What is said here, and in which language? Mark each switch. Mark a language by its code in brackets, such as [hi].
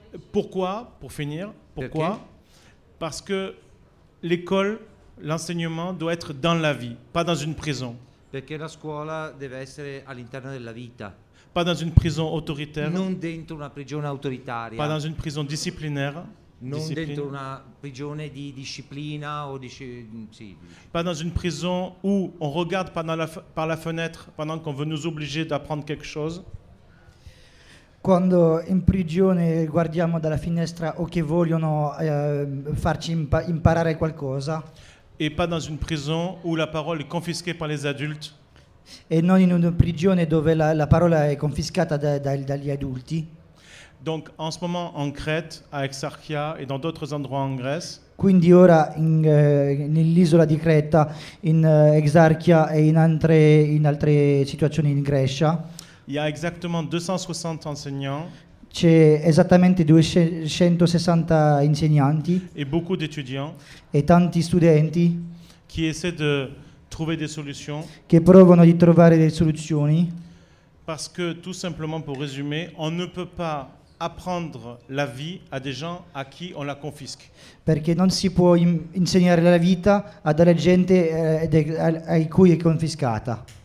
[fr] Pourquoi, pour finir, pourquoi? Parce que l'école, l'enseignement doit être dans la vie, pas dans une prison. [it] Perché la scuola deve essere all'interno della vita. [fr] Pas dans une prison autoritaire. [it] Non dentro una prigione autoritaria. [fr] Pas dans une prison disciplinaire. [it] Non dentro una prigione di disciplina o di sì. [fr] Pas dans une prison où on regarde par la fenêtre pendant qu'on veut nous obliger d'apprendre quelque chose. [it] Quando in prigione guardiamo dalla finestra o che vogliono farci imparare qualcosa. [fr] E pas dans une prison où la parole est confisquée par les adultes. [it] E non in una prigione dove la parola è confiscata dagli adulti. [fr] Donc en ce moment en Crète, à Exarchia et dans d'autres endroits en Grèce. [it] Quindi ora nell'isola di Creta, in Exarchia e in altre situazioni in Grecia. [fr] Il y a exactement 260 enseignants. [it] C'è esattamente 260 insegnanti. [fr] Et beaucoup d'étudiants. [it] E tanti studenti. [fr] Qui essaient de trouver des solutions. [it] Che provano di trovare delle soluzioni. [fr] Parce que tout simplement pour résumer, on ne peut pas apprendre la vie à des gens à qui on la confisque. [it] Perché non si può insegnare la vita a della gente ai cui è confiscata.